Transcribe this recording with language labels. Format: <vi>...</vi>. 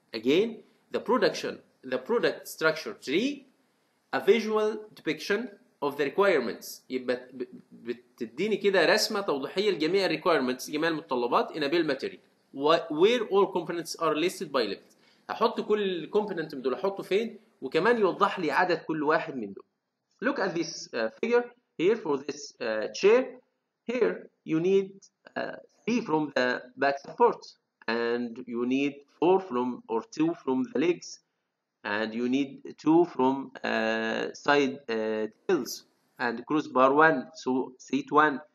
<en>Again, the product structure tree, a visual depiction of the requirements.</en> <ar>يبقى بتديني كده رسمه توضيحيه لجميع</ar> <en>requirements،</en> <ar>جميع المتطلبات</ar> <en>in a bill material where all components are listed by levels.</en> <ar>هحط كل component من دول احطه فين، وكمان يوضح لي عدد كل واحد من دول.</ar> <en>Look at this figure here for this chair. Here you need 3 from the back support, and you need 4 from or 2 from the legs, and you need 2 from side tails and crossbar 1, so seat 1.</en>